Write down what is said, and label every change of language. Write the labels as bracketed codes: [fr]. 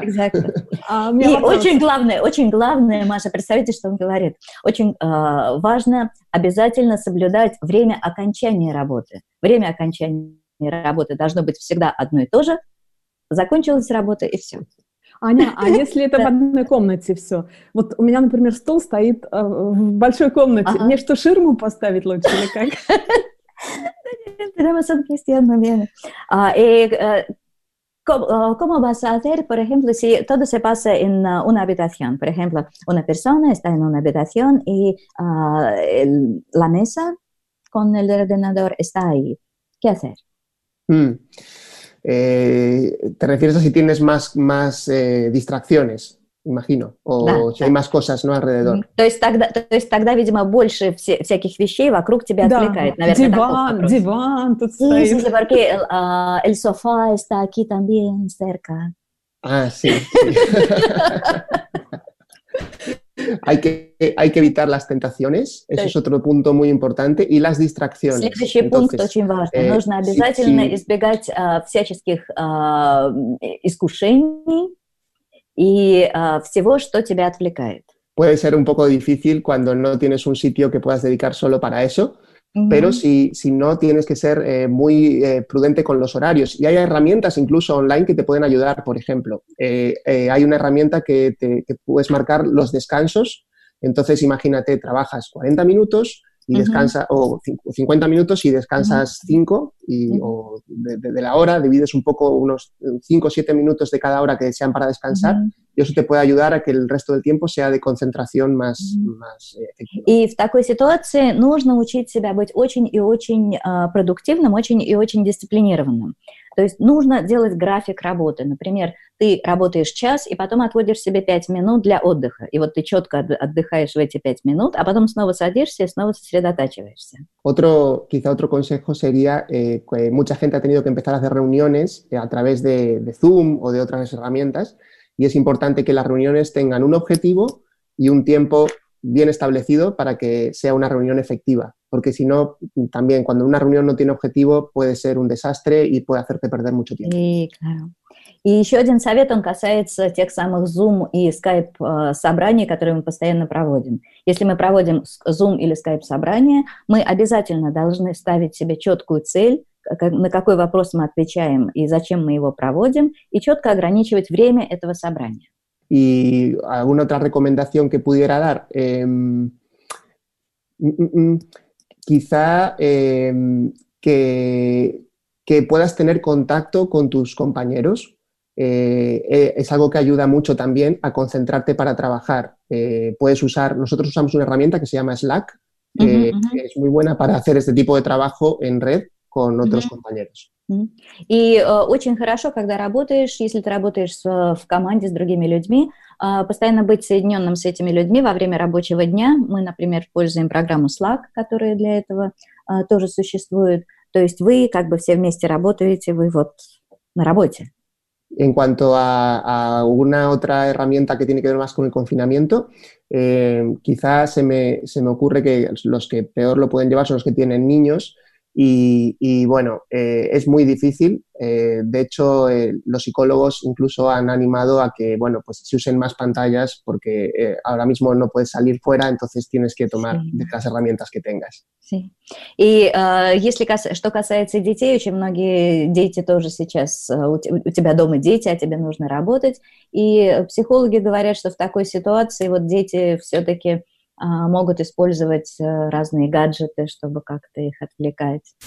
[es] Exacto. [ru] И очень главное, Маша, представьте, что он говорит. Очень важно обязательно соблюдать время окончания работы. Время окончания работы должно быть всегда одно и то же. Закончилась работа, и все. Аня, а если это в одной комнате все? Вот у меня, например, стол стоит в большой комнате. Ага. Мне что, ширму поставить лучше или как? [es] Tenemos un cristiano bien. ¿Cómo vas a hacer, por ejemplo, si todo se pasa en una habitación? Por ejemplo, una persona está en una habitación y la mesa con el ordenador está ahí. ¿Qué hacer? Te refieres a si tienes más distracciones, imagino, o [ru] да, [es] si [ru] да. [es] hay más cosas, ¿no?, alrededor. [ru] То есть тогда, видимо, больше всяких вещей вокруг тебя отвлекает, да. Наверное, диван тут стоит. [es] Sí, sí, porque el sofá está aquí también cerca. Ah, sí. Hay que evitar las tentaciones, eso es otro punto muy importante, y las distracciones. [ru] Следующий пункт очень важный. Нужно обязательно избегать всяческих искушений и всего, что тебя отвлекает. [es] Puede ser un poco difícil cuando no tienes un sitio que puedas dedicar solo para eso, pero si no, tienes que ser muy prudente con los horarios. Y hay herramientas incluso online que te pueden ayudar, por ejemplo. Hay una herramienta que puedes marcar los descansos. Entonces, imagínate, trabajas 40 minutos y descansas, o 50 minutos y descansas 5, o de la hora, divides un poco unos 5 o 7 minutos de cada hora que sean para descansar, y eso te puede ayudar a que el resto del tiempo sea de concentración más, más efectiva. Y [ru] en такой ситуации нужно учить себя быть очень и очень продуктивным, очень и очень дисциплинированным. То есть нужно делать график работы. Например, ты работаешь час, и потом отводишь себе 5 минут для отдыха. И вот ты четко отдыхаешь в эти 5 минут, а потом снова садишься и снова сосредотачиваешься. [es] Quizá otro consejo sería, mucha gente ha tenido que empezar a hacer reuniones a través de Zoom o de otras herramientas, y es importante que las reuniones tengan un objetivo y un tiempo bien establecido para que sea una reunión efectiva, porque si no, también cuando una reunión no tiene objetivo puede ser un desastre y puede hacerte perder mucho tiempo. Sí, claro. [ru] И еще один совет, он касается тех самых Zoom и Skype собраний, которые мы постоянно проводим. Если мы проводим Zoom или Skype собрание, мы обязательно должны ставить себе четкую цель, на какой вопрос мы отвечаем и зачем мы его проводим, и четко ограничивать время этого собрания. [es] Y alguna otra recomendación que pudiera dar, quizá que puedas tener contacto con tus compañeros, es algo que ayuda mucho también a concentrarte para trabajar. Nosotros usamos una herramienta que se llama Slack, que es muy buena para hacer este tipo de trabajo en red con otros compañeros. [ru] И очень хорошо, когда работаешь, если ты работаешь в команде с другими людьми, постоянно быть соединенным с этими людьми во время рабочего дня. Мы, например, используем программу Slack, которая для этого тоже существует. То есть вы как бы все вместе работаете, вы вот на работе. [es] En cuanto a una otra herramienta que tiene que ver más con el confinamiento, quizás se me ocurre que los que peor lo pueden llevar son los que tienen niños. Y bueno, es muy difícil. De hecho, los psicólogos incluso han animado a que, bueno, pues se usen más pantallas porque ahora mismo no puedes salir fuera, entonces tienes que tomar de las herramientas que tengas. Sí. Y [ru] если что касается детей, очень многие дети тоже сейчас у тебя дома дети, а тебе нужно работать. И психологи говорят, что в такой ситуации вот дети все-таки могут использовать разные гаджеты, чтобы как-то их отвлекать.